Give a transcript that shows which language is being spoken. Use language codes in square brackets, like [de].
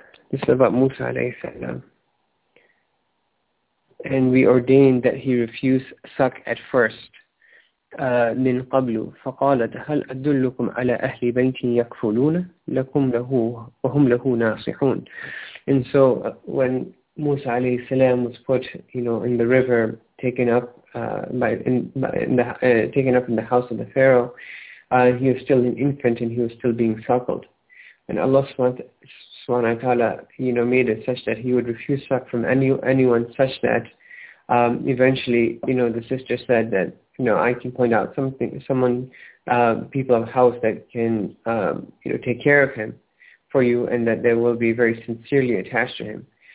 [en] This is about Musa alayhi salam. And we ordained that he refuse suck at first. [ar] من قبل فقالت هل أدلكم على أهل بيتي يكفلون لكم له وهم له ناصحون. [en] And so when Musa alayhi salam was put, you know, in the river, taken up in the house of the Pharaoh, he was still an infant and he was still being suckled. And Allah subhanahu wa ta'ala, you know, made it such that he would refuse suck from anyone such that eventually, you know, the sister said that, you know, I can point out people of the house that can, you know, take care of him for you, and that they will be very sincerely attached to him.